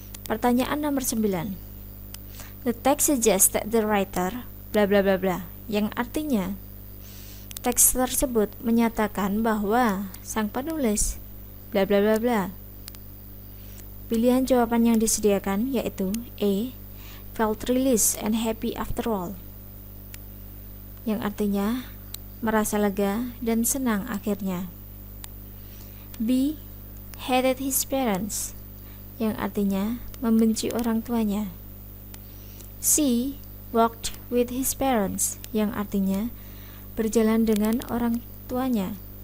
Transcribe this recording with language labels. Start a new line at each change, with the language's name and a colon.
Indonesian: Pertanyaan nomor 9.
English: The text suggests that the writer bla bla
Indonesian: bla bla, yang artinya teks tersebut menyatakan bahwa sang penulis bla bla bla bla. Pilihan jawaban yang disediakan yaitu A.
English: felt released and happy after all.
Indonesian: Yang artinya merasa lega dan senang akhirnya.
English: B hated his parents,
Indonesian: yang artinya membenci orang tuanya.
English: C walked with his parents,
Indonesian: yang artinya berjalan dengan orang tuanya.